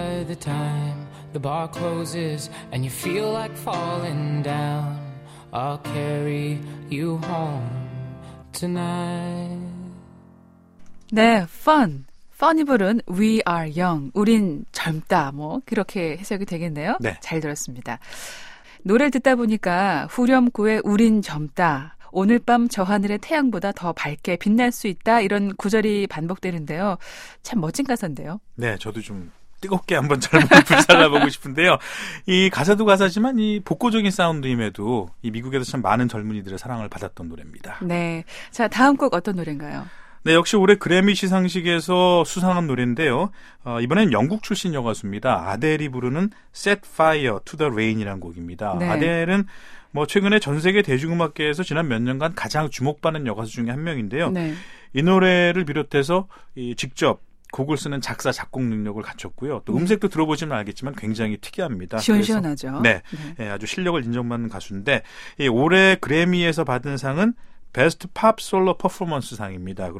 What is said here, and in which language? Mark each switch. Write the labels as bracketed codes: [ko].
[en] the time the bar closes and you feel like falling down, I'll carry you home tonight. [ko] 네, fun. Funny 부른 We Are Young. 우린 젊다. 뭐 그렇게 해석이 되겠네요. 네. 잘 들었습니다. 노래를 듣다 보니까 후렴구에 우린 젊다. 오늘 밤 저 하늘의 태양보다 더 밝게 빛날 수 있다. 이런 구절이 반복되는데요. 참 멋진 가사인데요. 네. 저도 좀 뜨겁게 한번 잘못 불살라보고 싶은데요. 이 가사도 가사지만 이 복고적인 사운드임에도 이 미국에서 참 많은 젊은이들의 사랑을 받았던 노래입니다. 네. 자, 다음 곡 어떤 노래인가요? 네, 역시 올해 그래미 시상식에서 수상한 노래인데요. 이번엔 영국 출신 여가수입니다. 아델이 부르는 Set Fire to the Rain이라는 곡입니다. 네. 아델은 뭐 최근에 전 세계 대중음악계에서 지난 몇 년간 가장 주목받는 여가수 중에 한 명인데요. 네. 이 노래를 비롯해서 이 직접 곡을 쓰는 작사, 작곡 능력을 갖췄고요. 또 음색도 들어보시면 알겠지만 굉장히 특이합니다. 시원시원하죠. 그래서, 네, 아주 실력을 인정받는 가수인데 이 올해 그래미에서 받은 상은 베스트 팝 솔로 퍼포먼스 상입니다.